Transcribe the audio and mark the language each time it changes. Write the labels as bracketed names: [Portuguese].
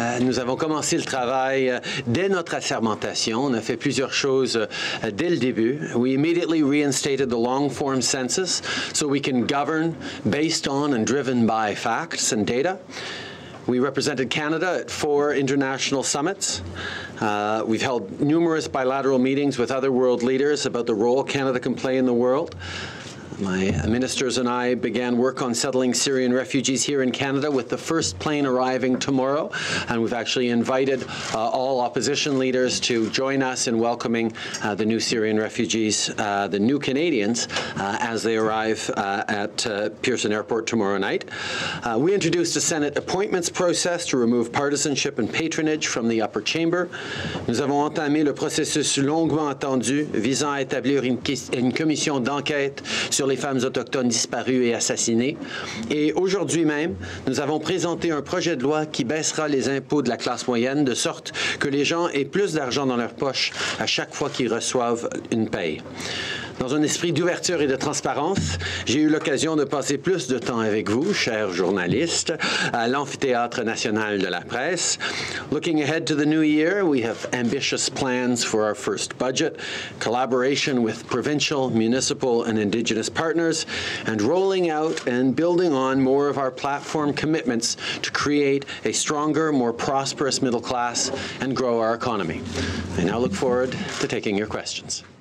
[French] Nous avons commencé le travail dès notre assermentation. On a fait plusieurs choses dès le début. [English] We immediately reinstated the long-form census so we can govern based on and driven by facts and data. We represented Canada at 4 international summits. We've held numerous bilateral meetings with other world leaders about the role Canada can play in the world. My ministers and I began work on settling Syrian refugees here in Canada with the first plane arriving tomorrow. And we've actually invited all opposition leaders to join us in welcoming the new Syrian refugees, the new Canadians, as they arrive at Pearson Airport tomorrow night. We introduced a Senate appointments process to remove partisanship and patronage from the upper chamber. [French] Nous avons entamé le processus longuement attendu visant à établir une commission d'enquête sur les femmes autochtones disparues et assassinées. Et aujourd'hui même, nous avons présenté un projet de loi qui baissera les impôts de la classe moyenne de sorte que les gens aient plus d'argent dans leur poche à chaque fois qu'ils reçoivent une paye. Dans un esprit d'ouverture et de transparence, j'ai eu l'occasion de passer plus de temps avec vous, chers journalistes, à l'Amphithéâtre national de la presse. [English] Looking ahead to the new year, we have ambitious plans for our first budget, collaboration with provincial, municipal, and Indigenous partners, and rolling out and building on more of our platform commitments to create a stronger, more prosperous middle class and grow our economy. I now look forward to taking your questions.